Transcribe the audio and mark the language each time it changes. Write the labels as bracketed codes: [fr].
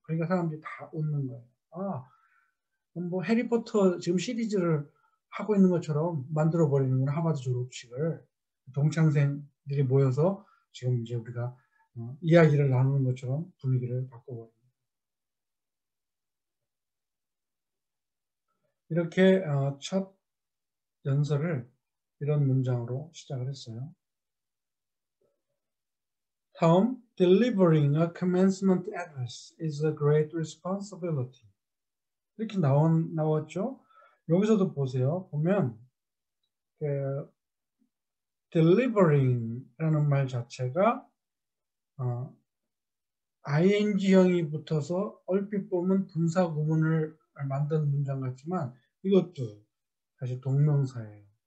[ko] 그러니까 사람들이 다 웃는 거예요. 아, 뭐 해리포터 지금 시리즈를 하고 있는 것처럼 만들어 버리는 하버드 졸업식을 동창생들이 모여서 지금 이제 우리가 이야기를 나누는 것처럼 분위기를 바꿔버립니다. 이렇게 첫 연설을 이런 문장으로 시작을 했어요. 다음, [en] delivering a commencement address is a great responsibility. [ko] 이렇게 나왔죠? 여기서도 보세요. 보면 delivering라는 말 자체가 ing형이 붙어서 얼핏 보면 분사 구문을 만든 문장 같지만 이것도 사실 동명사예요.